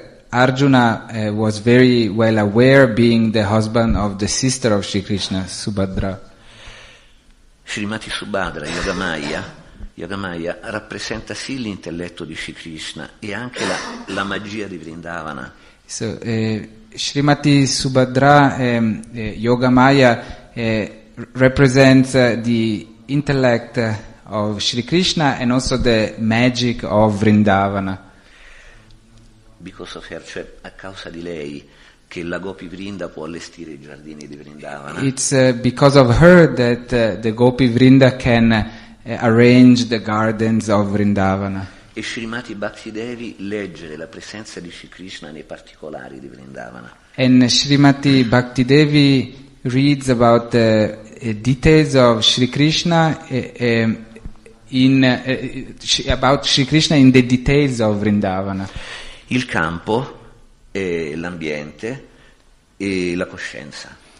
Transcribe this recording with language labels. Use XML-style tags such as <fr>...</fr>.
<en>Arjuna was very well aware being the husband of the sister of Sri Krishna, Subhadra.</en> <it>Srimati Subhadra, Yogamaya, rappresenta sì l'intelletto di Sri Krishna e anche la magia di Vrindavana.</it> <en>So, Srimati Subhadra, Yogamaya, represents the intellect of Sri Krishna and also the magic of Vrindavana. Because of her,</en> <it>cioè a causa di lei, che la Gopi Vrinda può allestire i giardini di Vrindavana.</it> <en>It's because of her that the Gopi Vrinda can arrange the gardens of Vrindavana.</en> <it>E Srimati Bhakti Devi legge la presenza di Sri Krishna nei particolari di Vrindavana.</it> <en>And Srimati Bhakti Devi reads about the details of Sri Krishna about Sri Krishna in the details of Vrindavana.</en> <it>Il campo, l'ambiente e la coscienza.</it>